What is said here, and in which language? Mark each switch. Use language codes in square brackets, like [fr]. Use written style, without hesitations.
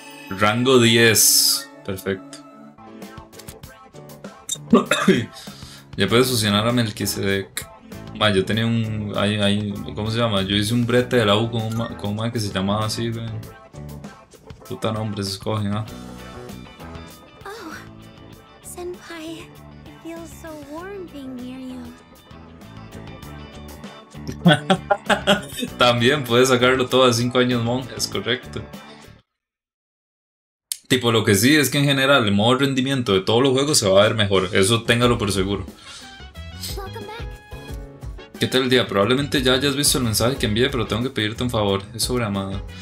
[es] Rango 10, perfecto. Ya puedes fusionar a Melquisedec. Ma, yo tenía un... Ahí, ¿cómo se llama? Yo hice un brete de la U con un ma que se llamaba así, güey. Puta nombre, se escoge, ¿no? [en] Oh, senpai, I feel so warm being near you. [es] También puedes sacarlo todo de 5 años monje, es correcto. Tipo, lo que sí es que en general el modo rendimiento de todos los juegos se va a ver mejor, eso téngalo por seguro. ¿Qué tal el día? Probablemente ya hayas visto el mensaje que envié, pero tengo que pedirte un favor. Es sobre Amada.